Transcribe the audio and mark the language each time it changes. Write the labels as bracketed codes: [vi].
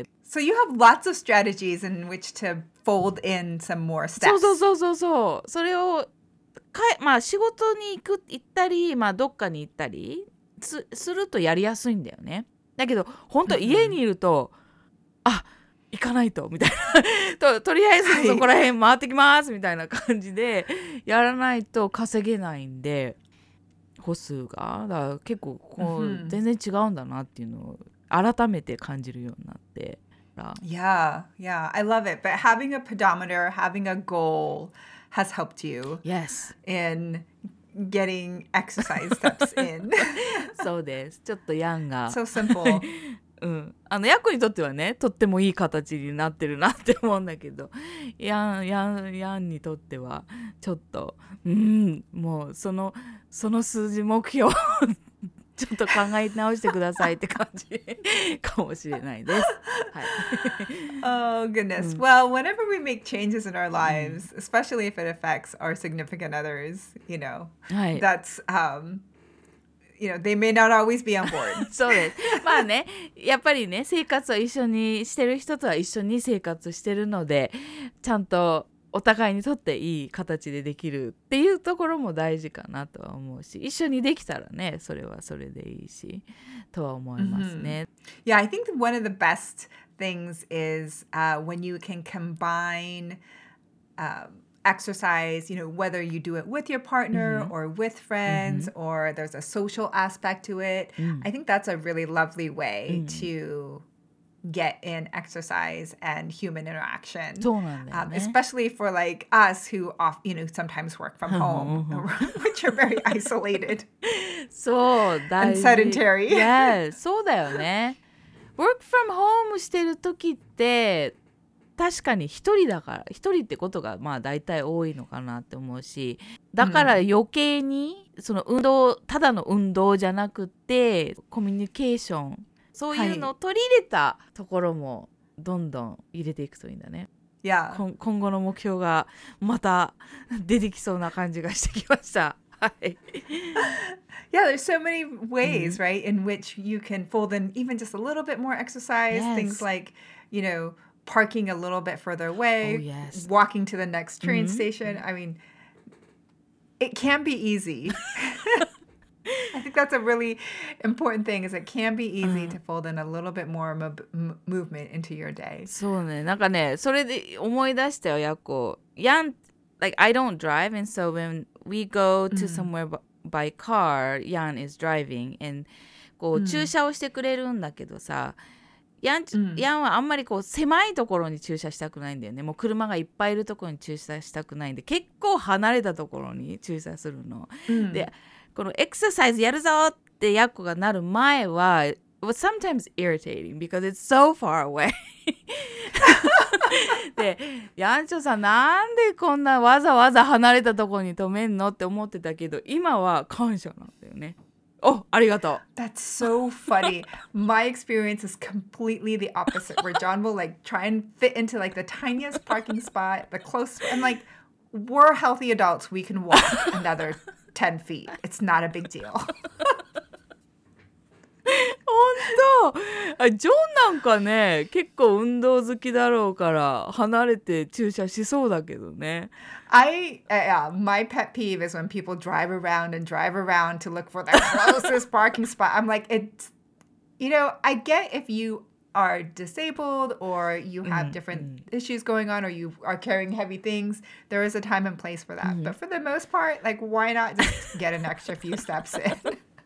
[en] So you have lots of strategies in which to fold in some more steps. [ja] そうそうそうそう、それをかえ、まあ仕事に行ったり、まあどっかに行ったりするとやりやすいんだよね。だけど本当家にいると、mm-hmm. あ、行かないとみたいな とりあえずそこら辺回ってきますみたいな感じでやらないと稼げないんで歩数がだから結構こう全然違うんだなっていうのを改めて感じるようになって [en] Yeah, yeah, I love it. But having a pedometer, having a goal has helped you Yes. in getting exercise steps in. [ja] そうです。ちょっとヤンが。 [en] So simple. [ja] うん、あのヤコにとってはねとってもいい形になってるなって思うんだけどヤンにとってはちょっと、うん、もうその数字目標ちょっと考え直してくださいって感じかもしれないです、はい、 [en] Oh goodness、うん、Well whenever we make changes in our lives、うん、especially if it affects our significant others you know、 [ja] はい、 [en] that's、You know, they may not always be on board. [ja] そうです。まあね、やっぱりね、生活を一緒にしてる人とは一緒に生活してるので、ちゃんとお互いにとっていい形でできるっていうところも大事かなとは思うし、一緒にできたらね、それはそれでいいし、とは思いますね。 Mm-hmm. [en] Yeah, I think one of the best things is when you can combine exercise, you know, whether you do it with your partner mm-hmm. or with friends mm-hmm. or there's a social aspect to it. Mm. I think that's a really lovely way mm. to get in exercise and human interaction. [ja] そうなんだよね。 [en] Especially for like us who off, you know, sometimes work from home, which are very isolated. [ja] そう、大事。 [en] And sedentary. Yes, [ja] そうだよね。 [en] Work from home [ja] してる時って確かに一人だから一人ってことがまあ大体多いのかなって思うしだから余計にその運動ただの運動じゃなくてコミュニケーションそういうのを取り入れたところもどんどん入れていくといいんだね、はい、今後の目標がまた出てきそうな感じがしてきました [en] Yeah, there's so many ways, right, in which you can fold in even just a little bit more exercise、 yes. things like, you know,Parking a little bit further away,、 oh, yes. walking to the next train、mm-hmm. station. I mean, it can be easy. I think that's a really important thing is it can be easy、to fold in a little bit more movement into your day. [ja] そうね。なんかね、それで思い出したよ、ヤコ。 [en] ヤン、like, I don't drive, and so when we go to、mm-hmm. somewhere by car, Yan is driving, and こう、mm-hmm. [ja] 駐車をしてくれるんだけどさ、ヤンはあんまりこう狭いところに駐車したくないんだよね。もう車がいっぱいいるところに駐車したくないんで、結構離れたところに駐車するの。で、このエクササイズやるぞってヤッコがなる前は、 [en] It was sometimes irritating because it's so far away. [ja] で、ヤンチョさん、なんでこんなわざわざ離れたところに止めんのって思ってたけど、今は感謝なんだよね。 Oh, ありがとう。 [en] That's so funny. My experience is completely the opposite, where John will like try and fit into like the tiniest parking spot, the closest, and like we're healthy adults, we can walk another 10 feet. It's not a big deal. [ja] 本当。あ、ジョンなんかね、結構運動好きだろうから離れて駐車しそうだけどね。 [en] My pet peeve is when people drive around and drive around to look for their closest parking spot. I'm like, it's, you know, I get if you are disabled or you have different issues going on or you are carrying heavy things, there is a time and place for that. But for the most part, like, why not just get an extra few steps in?